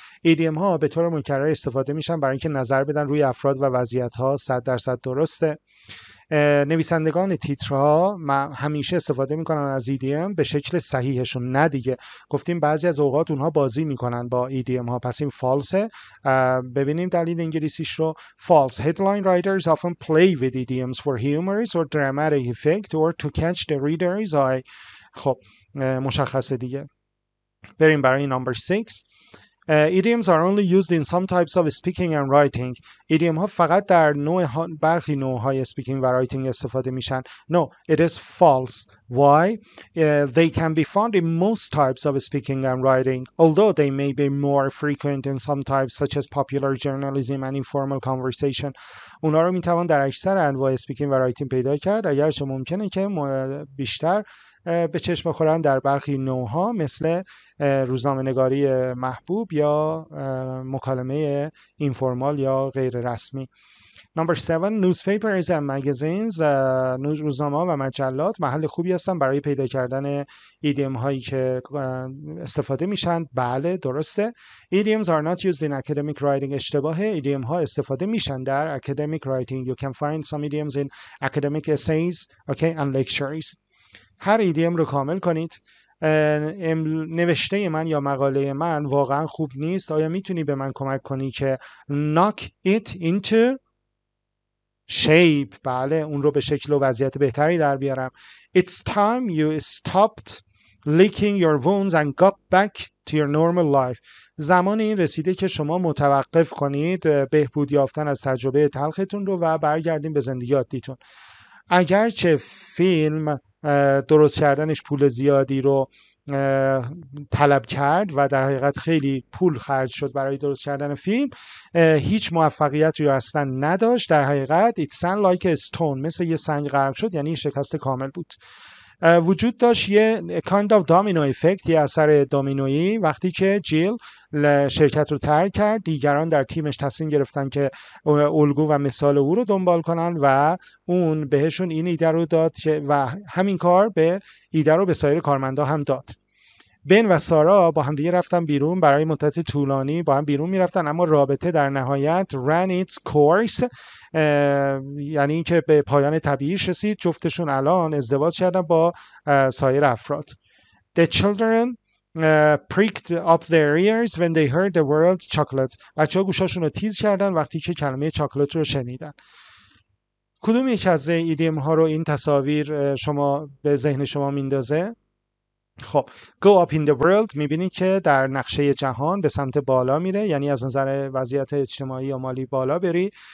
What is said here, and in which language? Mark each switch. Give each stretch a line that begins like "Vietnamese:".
Persian: ایدیم ها به طور مکرر استفاده میشن برای اینکه نظر بدن روی افراد و وضعیت ها. 100% درسته. نویسندگان تیترها همیشه استفاده میکنن از ایدیم به شکل صحیحشون، نه دیگه. گفتیم بعضی از اوقات اونها بازی میکنن با ایدیم ها، پس این فالسه. ببینیم دلیل انگلیسیش رو.
English: False. Headline writers often play with idioms for humorous or dramatic effect or to catch the reader's eye.
Persian: خب مشخصه دیگه. بریم برای نمبر 6.
English: Idioms are only used in some types of speaking and writing.
Persian: Idioms ها فقط در نوع برخی نوعهای speaking و writing استفاده میشن.
English: No, it is false. Why? They can be found in most types of speaking and writing, although they may be more frequent in some types such as popular journalism and informal conversation.
Persian: اونا رو میتوان در اکثر انواع speaking و writing پیدا کرد، اگرچه ممکنه که بیشتر به چشم خورن در برخی نوعها مثل روزنامه نگاری محبوب یا مکالمه اینفورمال یا غیر رسمی.
English: Number 7. Newspapers and magazines.
Persian: روزنامه و مجلات محل خوبی هستن برای پیدا کردن ایدیم هایی که استفاده میشن. بله درسته.
English: Idioms are not used in academic writing.
Persian: اشتباهه. ایدیم ها استفاده میشن در academic writing.
English: You can find some idioms in academic essays, okay, and lectures.
Persian: هر ایدیم رو کامل کنید. نوشته من یا مقاله من واقعا خوب نیست، آیا میتونی به من کمک کنی که
English: knock it into shape،
Persian: بله اون رو به شکل و وضعیت بهتری در بیارم.
English: It's time you stopped licking your wounds and got back to your normal life.
Persian: زمان این رسیده که شما متوقف کنید بهبود یافتن از تجربه تلختون رو و برگردیم به زندگی عادیتون. اگرچه فیلم درست کردنش پول زیادی رو طلب کرد و در حقیقت خیلی پول خرج شد برای درست کردن فیلم، هیچ موفقیت رو اصلا نداشت در حقیقت.
English: It's like a stone،
Persian: مثل یه سنگ غرق شد، یعنی شکست کامل بود. وجود داشت یه
English: kind of domino effect،
Persian: یه اثر دامینویی. وقتی که جیل شرکت رو ترک کرد، دیگران در تیمش تصمیم گرفتن که الگو و مثال او رو دنبال کنن و اون بهشون این ایده رو داد که و همین کار به ایده رو به سایر کارمندا هم داد. بن و سارا با هم دیگه رفتن بیرون برای مدت طولانی، با هم بیرون می رفتن، اما رابطه در نهایت
English: ran its course،
Persian: یعنی این که به پایان طبیعیش رسید. جفتشون الان ازدواج کردن با سایر افراد.
English: The children pricked up their ears when they heard the word chocolate.
Persian: بچه ها گوشاشون رو تیز کردن وقتی که کلمه چاکلت رو شنیدن. کدوم یک از ایدیم ها رو این تصاویر شما به ذهن شما میندازه؟ خب
English: go up in the world
Persian: میبینی که در نقشه جهان به سمت بالا میره، یعنی از نظر وضعیت اجتماعی یا مالی بالا بری.